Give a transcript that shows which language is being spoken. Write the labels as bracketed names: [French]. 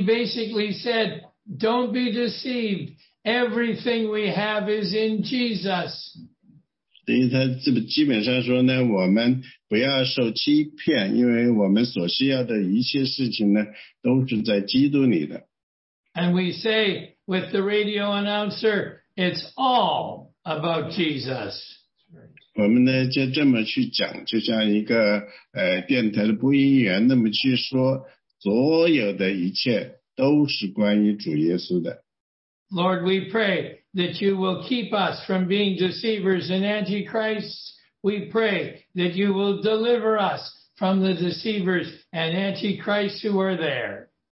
[English] basically said, "Don't be deceived. Everything we have is in Jesus." [Chinese] 等于他基本上说呢，我们不要受欺骗，因为我们所需要的一切事情呢，都是在基督里的。 [English] And we say with the radio announcer, it's all about Jesus. [Chinese] 我们呢，就这么去讲，就像一个电台的播音员那么去说，所有的一切都是关于主耶稣的。 [English] Lord, we pray that you will keep us from being deceivers and antichrists. We pray that you will deliver us from the deceivers and antichrists who are there.